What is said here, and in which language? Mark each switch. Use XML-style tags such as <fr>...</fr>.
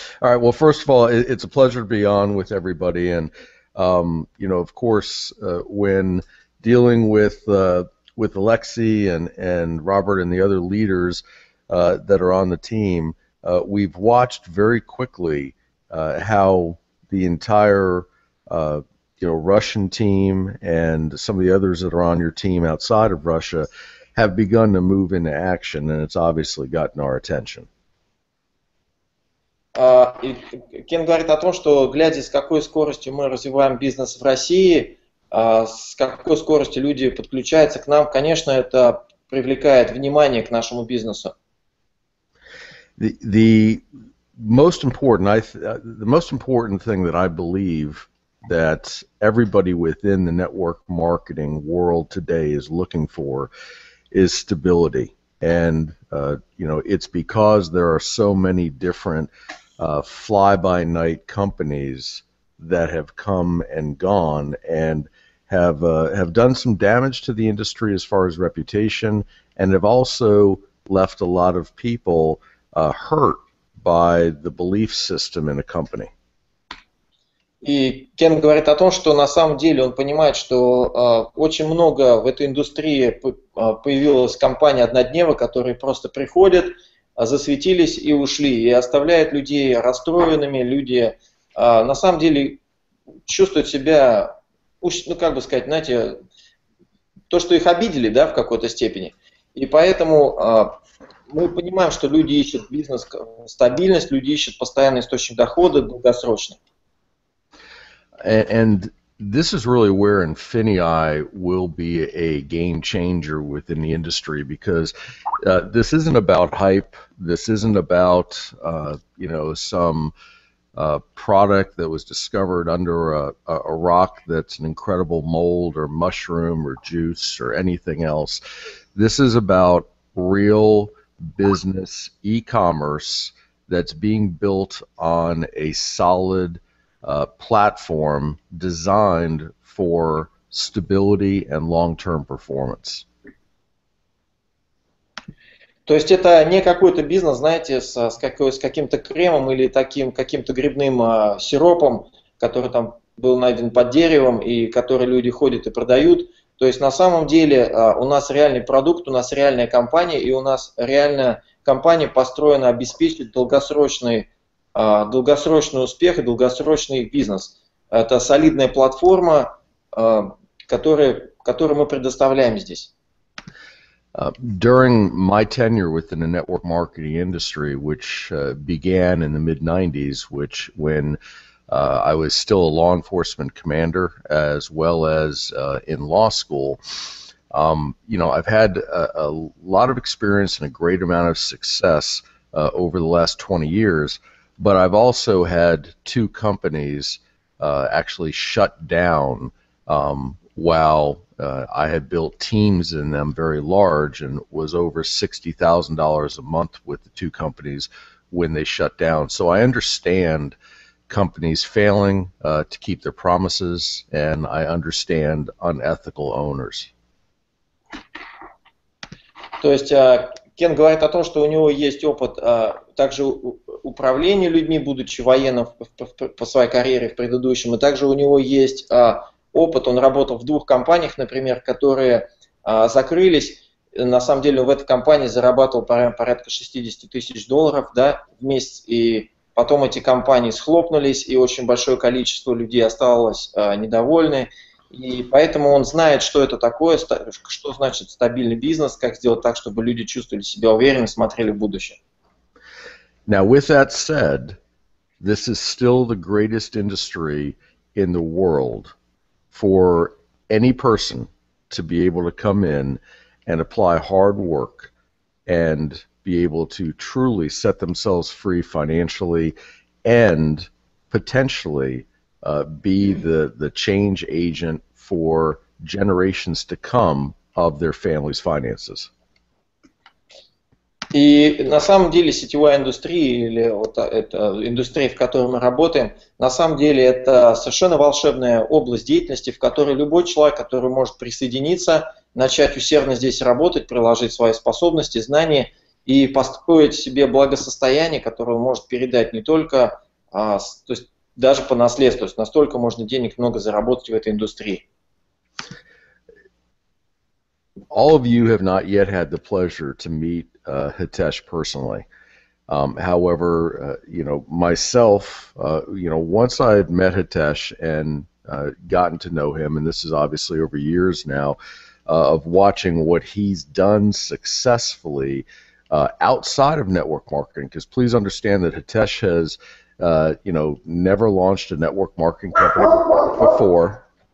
<en>All right, well, first of all, it's a pleasure to be on with everybody. And, you know, of course, when dealing with Alexei and Robert and the other leaders that are on the team, we've watched very quickly how the entire, Russian team and some of the others that are on your team outside of Russia have begun to move into action, and it's obviously gotten our attention.</en> <ru>Кен говорит о том, что глядя, с какой скоростью мы развиваем бизнес в России, с какой скоростью люди подключаются к нам, конечно, это привлекает внимание к нашему бизнесу.</ru> <en>The most important thing that I believe that everybody within the network marketing world today is looking for is stability. And, it's because there are so many different fly-by-night companies that have come and gone and have done some damage to the industry as far as reputation, and have also left a lot of people hurt by the belief system in a company.</en> <ru>И Кен говорит о том, что на самом деле он понимает, что очень много в этой индустрии появилось компаний однодневок, которые просто приходят, засветились и ушли, и оставляют людей расстроенными, люди на самом деле чувствуют себя, то, что их обидели, да, в какой-то степени. И поэтому мы понимаем, что люди ищут бизнес, стабильность, люди ищут постоянный источник дохода, долгосрочный.</ru> <en>And this is really where Infinii will be a game changer within the industry, because this isn't about hype. This isn't about product that was discovered under a rock that's an incredible mold or mushroom or juice or anything else. This is about real business e-commerce that's being built on a solid platform designed for stability and long-term performance.</en> <ru>То есть это не какой-то бизнес, знаете, с каким-то кремом или таким каким-то грибным сиропом, который там был найден под деревом и который люди ходят и продают. То есть на самом деле у нас реальный продукт, у нас реальная компания, и у нас реальная компания построена обеспечить долгосрочный успех и долгосрочный бизнес. Это солидная платформа, которую мы предоставляем здесь.</ru> <en>During my tenure within the network marketing industry, which began in the mid-90s, when I was still a law enforcement commander as well as in law school, I've had a lot of experience and a great amount of success over the last 20 years. But I've also had two companies actually shut down while I had built teams in them very large and was over $60,000 a month with the two companies when they shut down. So I understand companies failing to keep their promises, and I understand unethical owners.</en> <ru>То есть Кен говорит о том, что у него есть опыт также управления людьми, будучи военным по своей карьере в предыдущем, и также у него есть опыт, он работал в двух компаниях, например, которые закрылись, на самом деле в этой компании зарабатывал порядка 60 тысяч долларов, да, в месяц, и потом эти компании схлопнулись, и очень большое количество людей осталось недовольны. И поэтому он знает, что это такое, что значит стабильный бизнес, как сделать так, чтобы люди чувствовали себя уверенно, смотрели в будущее.</ru> <en>Now, with that said, this is still the greatest industry in the world for any person to be able to come in and apply hard work and be able to truly set themselves free financially and potentially be the change agent for generations to come of their family's finances.</en> <ru>И на самом деле сетевая индустрия, или вот эта индустрия, в которой мы работаем, на самом деле это совершенно волшебная область деятельности, в которой любой человек, который может присоединиться, начать усердно здесь работать, приложить свои способности, знания и построить себе благосостояние, которое он может передать не только, то есть даже по наследству, то есть настолько можно денег много заработать в этой индустрии.</ru> <en>All of you have not yet had the pleasure to meet Hitesh personally. However, you know, myself, you know, once I had met Hitesh and gotten to know him, and this is obviously over years now, of watching what he's done successfully outside of network marketing, because please understand that Hitesh has, you know, never launched a network marketing company before.</en>